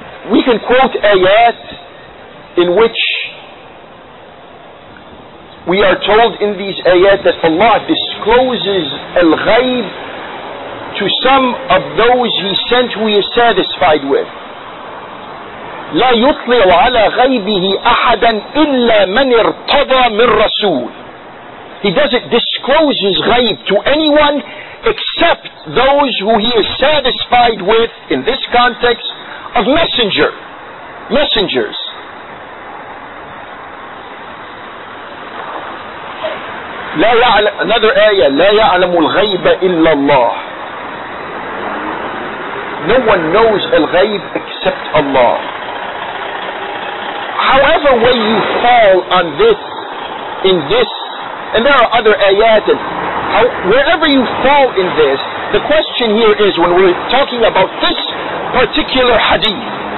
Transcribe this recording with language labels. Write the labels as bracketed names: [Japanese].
[English] We can quote ayat in which we are told in these ayat that Allah discloses al-ghayb to some of those He sent who He is satisfied with. [Arabic] لا يطلع على غيبه أحدا إلا من ارتضى من رسول. [English] He doesn't disclose his ghayb to anyone except those who He is satisfied with, in this context, of messengers. [Arabic] لا يعلم, [English] another ayah, [Arabic] لا يعلم الغيب إلا الله. [English] No one knows الغيب except Allah. However way you fall on this, in this, and there are other ayat, and wherever you fall in this, the question here is, when we're talking about this particular hadith,